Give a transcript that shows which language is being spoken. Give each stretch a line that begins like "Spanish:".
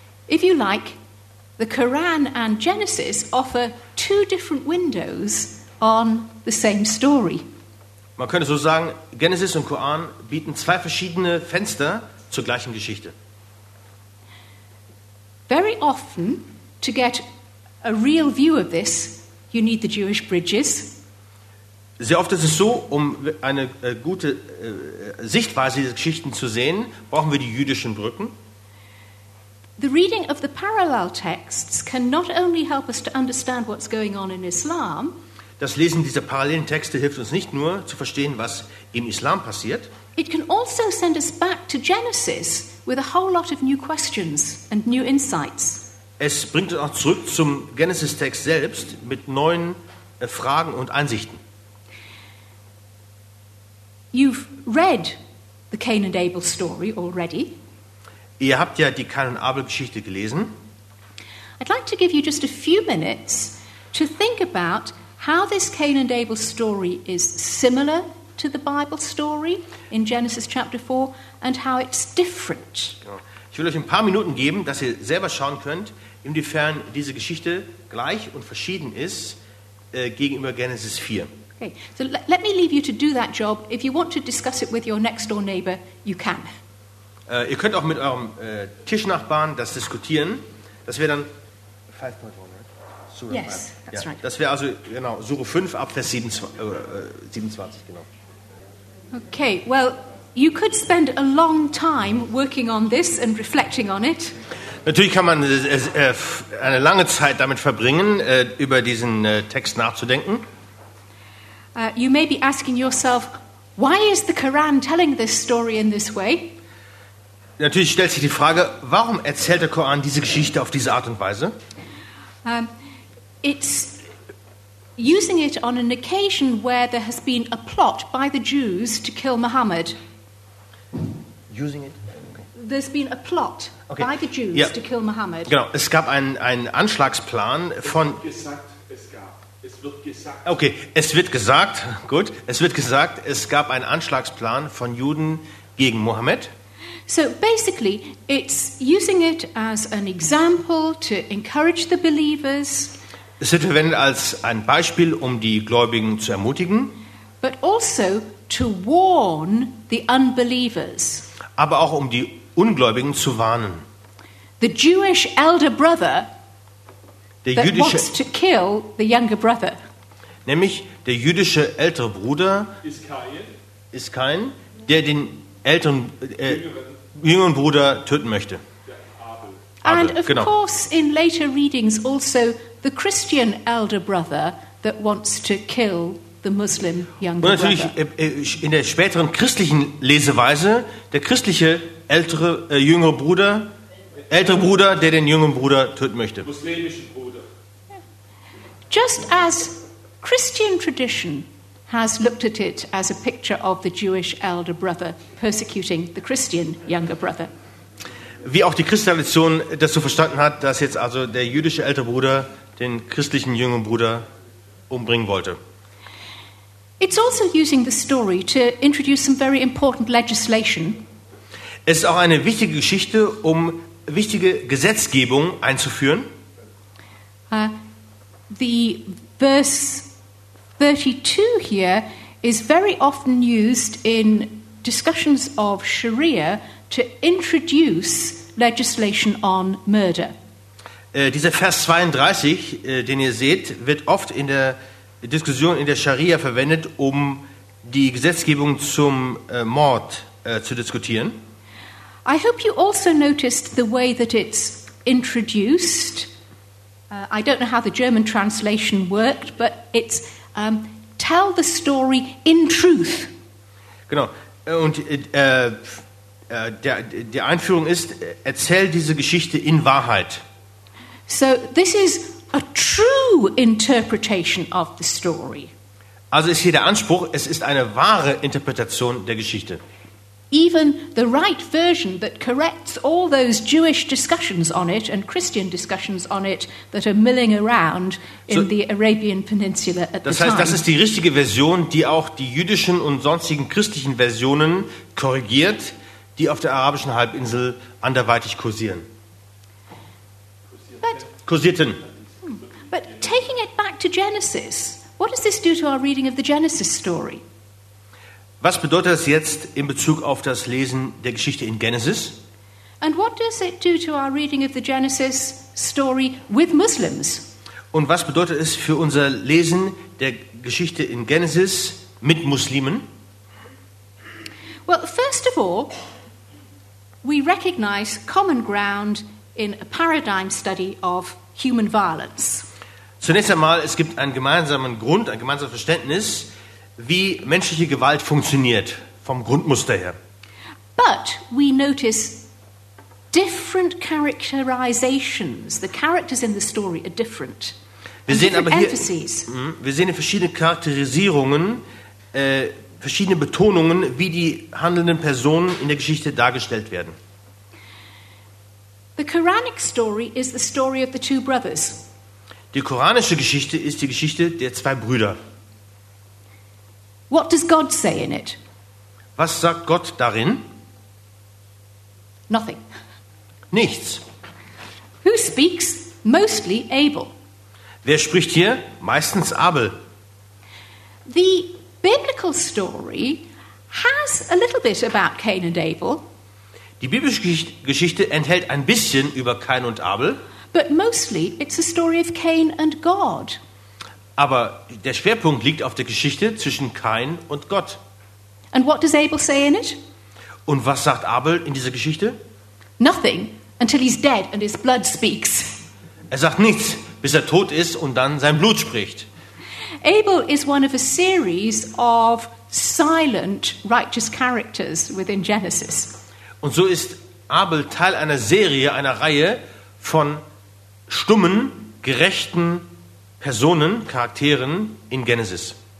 English: If you like, the Quran and Genesis offer two different windows on the same story.
German: Man könnte so sagen, Genesis und Koran bieten zwei verschiedene Fenster zur gleichen Geschichte.
English: Very often, to get a real view of this, you need the Jewish bridges.
German: Sehr oft ist es so, um eine gute Sichtweise dieser Geschichten zu sehen, brauchen wir die jüdischen Brücken.
English: The reading of the parallel texts can not only help us to understand what's going on in Islam.
German: Das Lesen dieser parallelen Texte hilft uns nicht nur zu verstehen, was im Islam passiert.
English: It can also send us back to Genesis with a whole lot of new questions and new insights.
German: Es bringt uns auch zurück zum Genesis-Text selbst mit neuen Fragen und Einsichten.
English: You've read the Cain and Abel story already.
German: Ihr habt ja die Cain und Abel-Geschichte gelesen.
English: I'd like to give you just a few minutes to think about how this Cain and Abel story is similar to the Bible story in Genesis chapter 4 and how it's different.
German: Ich will euch ein paar Minuten geben, dass ihr selber schauen könnt, inwiefern diese Geschichte gleich und verschieden ist gegenüber Genesis 4.
English: Okay, so let me leave you to do that job. If you want to discuss it with your next door neighbor, you can.
German: Ihr könnt auch mit eurem Tischnachbarn das diskutieren. Das wäre dann 5.1,
English: right? Sure, yes, five. That's yeah. Right.
German: Das wäre also, genau, Sure 5 ab Vers 27, genau.
English: Okay, well, you could spend a long time working on this and reflecting on it.
German: Natürlich kann man eine lange Zeit damit verbringen, über diesen Text nachzudenken.
English: You may be asking yourself, why is the Quran telling this story in this way?
German: Natürlich stellt sich die Frage, warum erzählt der Koran diese Geschichte auf diese Art und Weise?
English: It's using it on an occasion where there has been a plot by the Jews to kill Muhammad. Using it? Okay. There's been a plot by the Jews to kill Muhammad.
German: Genau, es gab einen Anschlagsplan von... Es wird gesagt, es gab einen Anschlagsplan von Juden gegen Muhammad.
English: So basically, it's using it as an example to encourage the believers.
German: Es wird verwendet als ein Beispiel, die Gläubigen zu ermutigen.
English: But also to warn the unbelievers.
German: Aber auch die Ungläubigen zu warnen.
English: The Jewish elder brother jüdische, wants to kill the younger brother.
German: Nämlich der jüdische ältere Bruder ist kein, der den älteren jüngeren Bruder töten möchte.
English: And of course, in later readings, also the Christian elder brother that wants to kill the Muslim younger brother.
German: Und natürlich in der späteren christlichen Leseweise der christliche ältere jüngere Bruder, der den jüngeren Bruder töten möchte.
English: Just as Christian tradition has looked at it as a picture of the Jewish elder brother persecuting the Christian younger brother.
German: Wie auch die christliche Tradition das so verstanden hat, dass jetzt also der jüdische ältere Bruder den christlichen jüngeren Bruder umbringen wollte.
English: It's also using the story to introduce some very important legislation.
German: Es ist auch eine wichtige Geschichte, um wichtige Gesetzgebung einzuführen.
English: The verse 32 here is very often used in discussions of Sharia to introduce legislation on murder.
German: Dieser Vers 32, den ihr seht, wird oft in der Diskussion in der Scharia verwendet, um die Gesetzgebung zum Mord zu diskutieren.
English: I hope you also noticed the way that it's introduced. I don't know how the German translation worked, but it's tell the story in truth.
German: Genau. Und die Einführung ist, erzähl diese Geschichte in Wahrheit.
English: So this is a true interpretation of the story.
German: Also ist hier der Anspruch, es ist eine wahre Interpretation der Geschichte.
English: Even the right version that corrects all those Jewish discussions on it and Christian discussions on it that are milling around in the Arabian Peninsula at the time.
German: Das heißt, das ist die richtige Version, die auch die jüdischen und sonstigen christlichen Versionen korrigiert, die auf der arabischen Halbinsel anderweitig kursieren. Kursierten.
English: But taking it back to Genesis, what does this do to our reading of the Genesis story?
German: Was bedeutet das jetzt in Bezug auf das Lesen der Geschichte in Genesis?
English: And what does it do to our reading of the Genesis story with Muslims?
German: Und was bedeutet es für unser Lesen der Geschichte in Genesis mit Muslimen?
English: Well, first of all, we recognize common ground in a paradigm study of human violence.
German: Zunächst einmal, es gibt einen gemeinsamen Grund, ein gemeinsames Verständnis, wie menschliche Gewalt funktioniert, vom Grundmuster her.
English: But we notice different characterizations. The characters in the story are different.
German: Wir sehen aber hier, wir sehen verschiedene Charakterisierungen, verschiedene Betonungen, wie die handelnden Personen in der Geschichte dargestellt werden.
English: The Quranic story is the story of the two brothers.
German: Die koranische Geschichte ist die Geschichte der zwei Brüder.
English: What does God say in it?
German: Was sagt Gott darin?
English: Nothing.
German: Nichts.
English: Who speaks? Mostly Abel.
German: Wer spricht hier? Meistens Abel.
English: The biblical story has a little bit about Cain and Abel.
German: Die biblische Geschichte enthält ein bisschen über Cain und Abel.
English: But mostly it's a story of Cain and God.
German: Aber der Schwerpunkt liegt auf der Geschichte zwischen Kain und Gott.
English: And what does Abel say in it?
German: Und was sagt Abel in dieser Geschichte?
English: Nothing until he's dead and his blood speaks.
German: Er sagt nichts, bis er tot ist und dann sein Blut spricht.
English: Abel is one of a series of silent righteous characters within Genesis.
German: Und so ist Abel Teil einer Serie, einer Reihe von stummen, gerechten Personen, Charakteren in Genesis.